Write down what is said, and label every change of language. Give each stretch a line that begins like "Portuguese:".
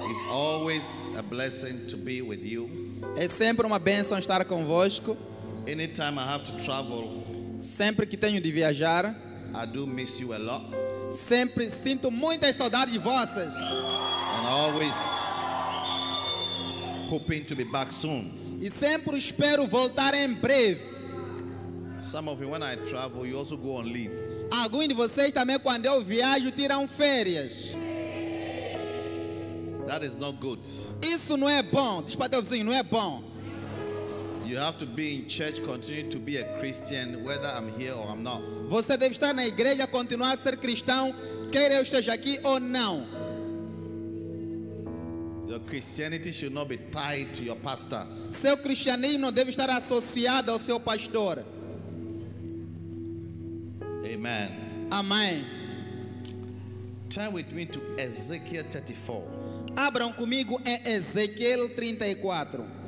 English: Always a blessing to be with you.
Portuguese: É sempre uma bênção estar convosco.
English: Anytime I have to travel,
Portuguese: sempre que tenho de viajar,
English: I do miss you a lot.
Portuguese: Sempre sinto muita saudade de vocês.
English: And always hoping to be back soon.
Portuguese: E sempre espero voltar em breve.
English: Some of you, when I travel, you also go on leave.
Portuguese: Alguns de vocês também, quando eu viajo, tiram férias.
English: That is not good.
Portuguese: Isso não é bom. Diz para teu vizinho, não é bom.
English: You have to be in church, continue to be a Christian, whether I'm here or I'm not.
Portuguese: Você deve estar na igreja, continuar a ser cristão, quer eu esteja aqui ou não.
English: Your Christianity should not be tied to your pastor.
Portuguese: Seu cristianismo não deve estar associado ao seu pastor.
English: Amen.
Portuguese: Amém.
English: Turn with me to Ezekiel 34.
Portuguese: Abram comigo em Ezequiel 34,